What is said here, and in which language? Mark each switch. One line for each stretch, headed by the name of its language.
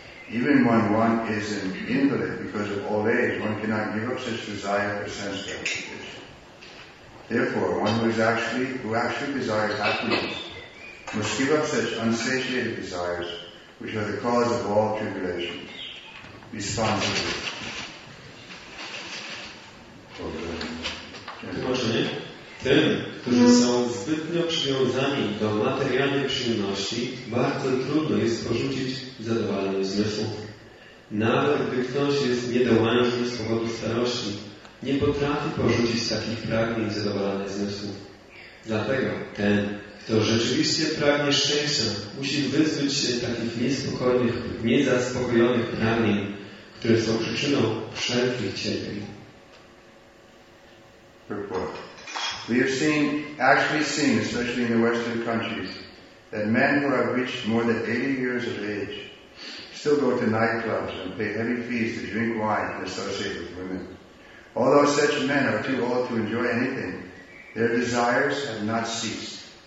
English: Even when one is an invalid because of old age, one cannot give up such desire for sense gratification. Therefore, one who actually desires happiness must give up such unsatiated desires, which are the cause of all tribulations, responsibly.
Polish: Właśnie tym, którzy są zbytnio przywiązani do materialnej przyjemności, bardzo trudno jest porzucić zadowolenie zmysłów. Nawet gdy ktoś jest niedołężny z powodu starości, nie potrafi porzucić takich pragnień zadowolenia zmysłów. Dlatego ten, kto rzeczywiście pragnie szczęścia, musi wyzbyć się takich niespokojnych, niezaspokojonych pragnień, które są przyczyną wszelkich cierpień.
English: We have actually seen, especially in the Western countries, that men who have reached more than 80 years of age still go to nightclubs and pay heavy fees to drink wine and associate with women. Although such men are too old to enjoy anything, their desires have not ceased.